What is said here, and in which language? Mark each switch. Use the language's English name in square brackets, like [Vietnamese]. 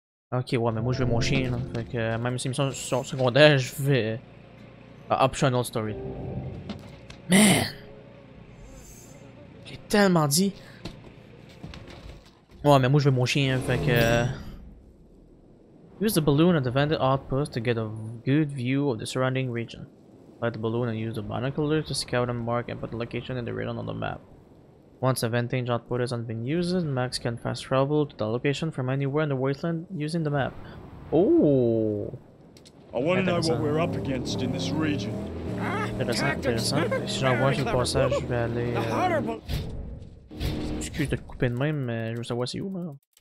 [French] Ok, ouais, mais moi je veux mon chien là. Fait que même si c'est l'émission secondaire, je vais. [English] Optional story. [French] Man! J'ai tellement dit. Ouais, mais moi je veux mon chien, hein, fait que. [English] Use the balloon at the vendor outpost to get a good view of the surrounding region. Fly the balloon and use the binoculars to scout and mark and put the location in the region on the map. Once a vantage output has been used, Max can fast travel to the location from anywhere in the wasteland using the map. Oh! I want to know what we're up against in this region. That's intéressant. [French] Si j'en vois sur le passage, je vais aller. Excuse de couper de même, mais je veux savoir c'est où, moi.